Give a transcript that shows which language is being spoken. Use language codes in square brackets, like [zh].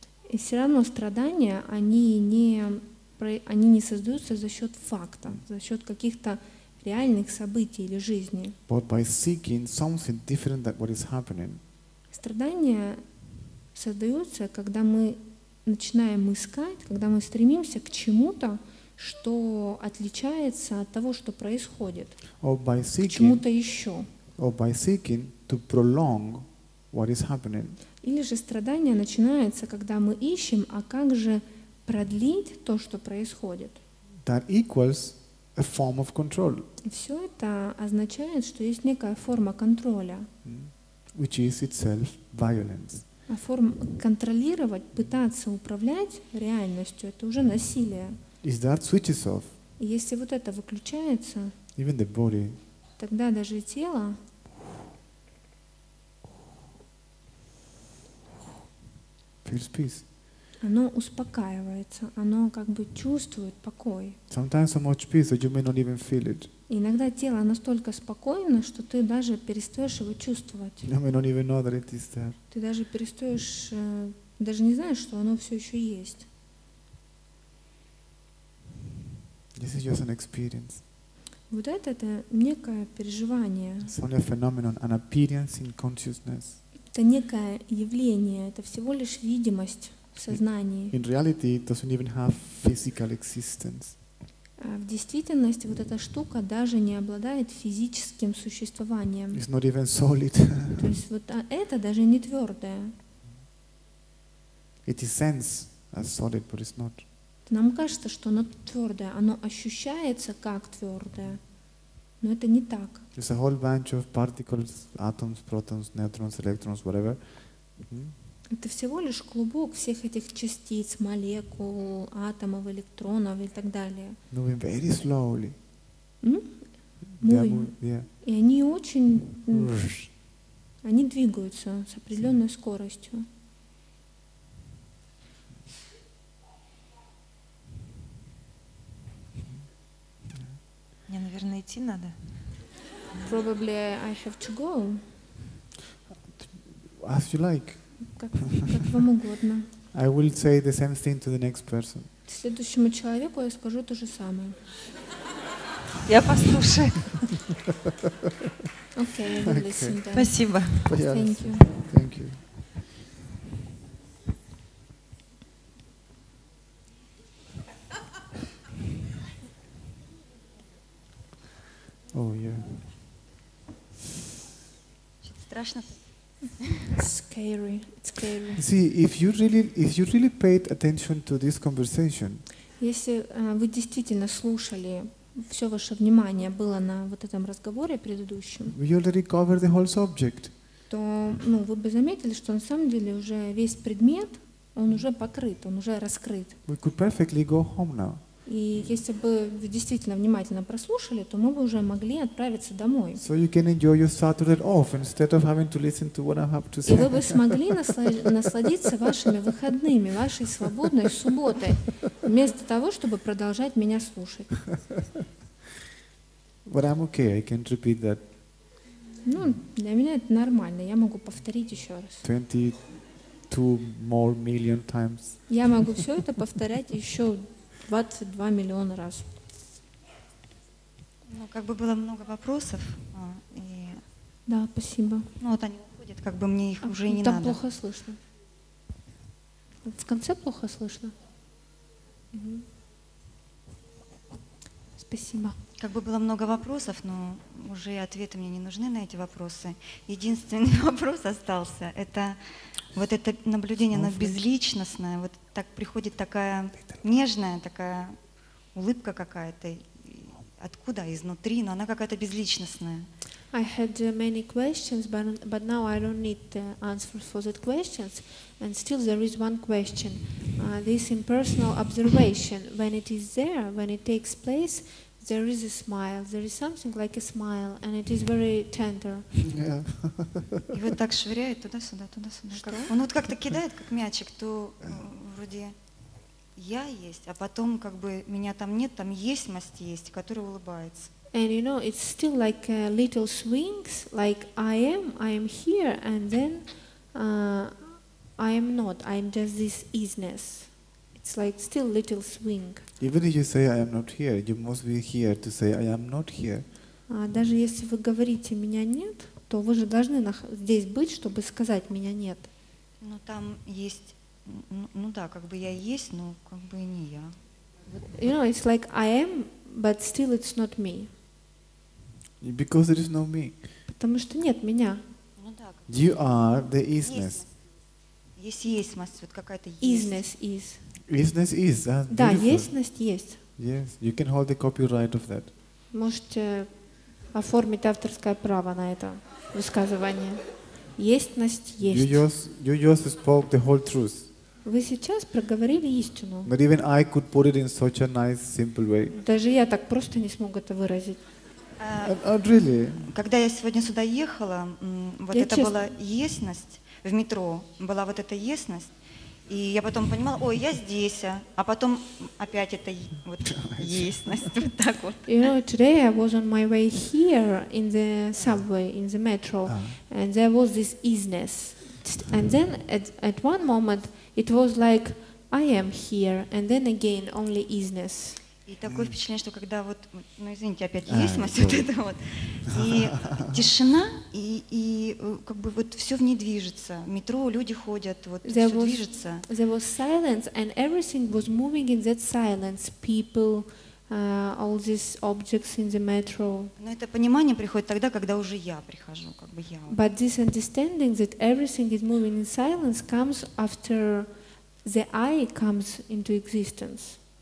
[ru] И все равно страдания, они не создаются за счет факта, за счет каких-то реальных событий или жизни. [en] But by seeking something different than what is happening. [ru] Страдания создаются, когда мы начинаем искать, когда мы стремимся к чему-то, что отличается от того, что происходит. [en] Or by seeking, [ru] к чему-то еще. [en] Or by seeking to prolong what is happening. [ru] Или же страдание начинается, когда мы ищем, а как же продлить то, что происходит. [en] That equals a form of control. [ru] Все это означает, что есть некая форма контроля. [en] Which is itself violence. [ru] А контролировать, пытаться управлять реальностью — это уже насилие. [en] Is that switches off? [ru] И если вот это выключается, [en] even the body, [ru] тогда даже тело, [en] feels peace. [ru] Оно успокаивается, оно как бы чувствует покой. [en] Sometimes so much peace that you may not even feel it. [ru] Иногда тело настолько спокойно, что ты даже перестаешь его чувствовать. [en] You may not even know that it is there. [ru] Ты даже перестаешь, даже не знаешь, что оно все еще есть. [en] This is just an experience. [ru] Вот это некое переживание. [en] It's only a phenomenon, an appearance in consciousness. [ru] Это некое явление, это всего лишь видимость. В сознании. [en] In reality, it doesn't even have physical existence. [ru] В действительности вот эта штука даже не обладает физическим существованием. [en] It's not even solid. [ru] То есть вот это даже не твердое. [en] It is sense as solid, but it's not. [ru] Нам кажется, что оно твердое, оно ощущается как твердое, но это не так. [en] It's a whole bunch of particles, atoms, protons, neutrons, electrons, whatever. Mm-hmm. [ru] Это всего лишь клубок всех этих частиц, молекул, атомов, электронов и так далее. [en] Moving very slowly. [ru] И они очень... Они двигаются с определенной скоростью. Мне, наверное, идти надо. [en] Probably I have to go. As you like. [ru] Как вам угодно. [en] I will say the same thing to the next person. [ru] Следующему человеку я скажу то же самое. Я послушаю. Окей, я [en] listen. [ru] Спасибо. [en] Thank you. Thank you. Oh yeah. [ru] Страшно. [en] It's scary. See, if you really paid attention to this conversation. [ru] Если вы действительно слушали, все ваше внимание было на вот этом разговоре предыдущем. [en] We already covered the whole subject. [ru] То, ну, вы бы заметили, что на самом деле уже весь предмет, он уже покрыт, он уже раскрыт. [en] We could perfectly go home now. [ru] И если бы вы действительно внимательно прослушали, то мы бы уже могли отправиться домой. [en] So you can enjoy your Saturday off instead of having to listen to what I have to say. [ru] И вы бы смогли насладиться вашими выходными, вашей свободной субботой, вместо того, чтобы продолжать меня слушать. [en] But I'm okay, I can repeat that. [ru] Ну, для меня это нормально, я могу повторить еще раз. [en] 22 more million times. [ru] Я могу все это повторять еще 22 миллиона раз. Ну, как бы было много вопросов. И... Да, спасибо. Ну, вот они уходят, как бы мне их уже не там надо. Там плохо слышно. В конце плохо слышно. Угу. Спасибо. Как бы было много вопросов, но уже ответы мне не нужны на эти вопросы. Единственный вопрос остался. Это вот это наблюдение, оно безличностное, вот так приходит такая нежная, такая улыбка какая-то, откуда, изнутри, но она какая-то безличностная. [en] I had many questions, but now I don't need the answer for those questions, and still there is one question. This impersonal observation, when it is there, when it takes place, there is a smile, there is something like a smile, and it is very tender. [ru] И вот так швыряет туда-сюда, туда-сюда. Он вот как-то кидает, как мячик, то вроде я есть, а потом как бы меня там нет, там есть масть есть, которая улыбается. [en] And you know, it's still like a little swings, like I am here, and then I am not, I am just this isness. It's like still little swing. Even if you say I am not here, you must be here to say I am not here. [ru] А даже если вы говорите меня нет, то вы же должны здесь быть, чтобы сказать меня нет. Ну там есть, ну да, как бы я есть, но как бы не я. [en] You know, it's like I am, but still it's not me. Because there is no me. [ru] Потому что нет меня. Ну да. [en] You are the isness. [ru] Есть, вот какая-то есть. [en] Isness is. Isness is. [ru] Да, естьность есть. [en] Yes, you can hold the copyright of that. [ru] Можете оформить авторское право на это высказывание. Естьность есть. [en] You just spoke the whole truth. [ru] Вы сейчас проговорили истину. [en] Not even I could put it in such a nice, simple way. [ru] Даже я так просто не смог это выразить. [en] Really. [ru] Когда я сегодня сюда ехала, вот я это была естьность в метро, была вот эта естьность, и я потом понимала, ой, я здесь, а потом опять это вот естьность, вот так вот. [en] You know, today I was on my way here in the subway, in the metro, and there was this isness. And then at one moment it was like I am here, and then again only isness. [ru] И такое впечатление, что когда вот, ну извините, опять естьность, вот это вот, и тишина, и как бы вот все в ней движется. Метро, люди ходят, вот все движется. [en] There was silence, and everything was moving in that silence. People, all these objects in the metro. [ru] Но это понимание приходит тогда, когда уже я прихожу, как бы я. [en] But this understanding that everything is moving in silence comes after the I comes into existence.